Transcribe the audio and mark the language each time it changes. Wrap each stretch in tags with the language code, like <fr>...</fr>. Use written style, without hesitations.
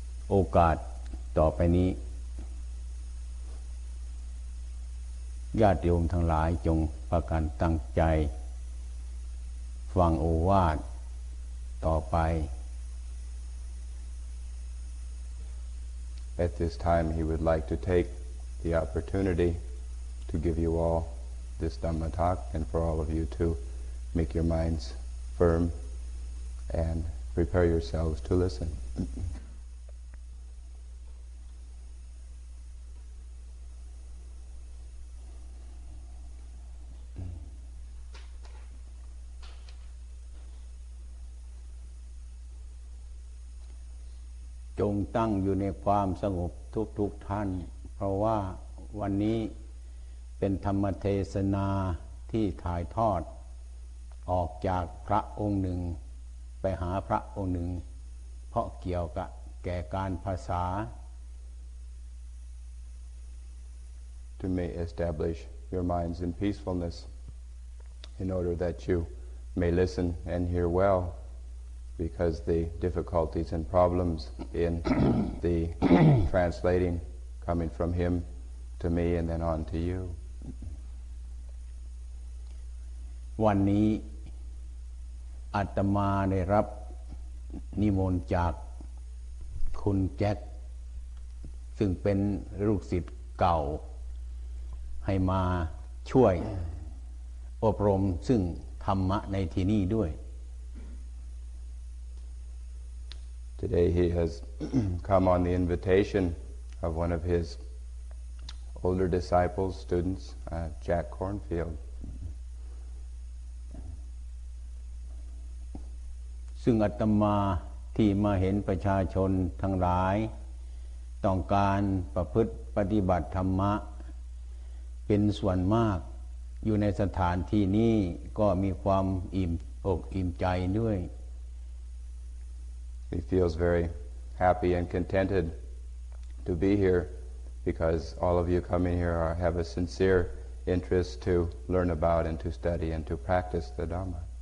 <th>โอกาสต่อไปนี้ญาติโยมทั้งหลายจงพากันตั้งใจฟังโอวาทต่อไป</th> <en>At this time he would like to take the opportunity to give you all this Dhamma talk and for all of you to make your minds firm and prepare yourselves to listen</en> <th>จงตั้งอยู่ในความสงบทุกๆ ท่านเพราะว่าวันนี้เป็นธรรมเทศนาที่ถ่ายทอดออกจากพระองค์หนึ่งไปหาพระองค์หนึ่งเพราะเกี่ยวกับแก่การภาษา</th> <en>To may establish your minds in peacefulness in order that you may listen and hear wellBecause the difficulties and problems in the translating coming from him to me and then on to you.</en> <th>วันนี้อาตมาได้รับนิมนต์จากคุณแจ็คซึ่งเป็นลูกศิษย์เก่าให้มาช่วยอบรมซึ่งธรรมะในที่นี่ด้วย</th> <en>Today he has come on the invitation of one of his older disciples, students, Jack Cornfield.</en> <th>ซึ่งอาตมาที่มาเห็นประชาชนทั้งหลายต้องการประพฤติปฏิบัติธรรมะเป็นส่วนมากอยู่ในสถานที่นี้ก็มีความอิ่มอกอิ่มใจด้วย</th> <en>He feels very happy and contented to be here because all of you coming here are, have a sincere interest to learn about and to study and to practice the Dhamma.</en>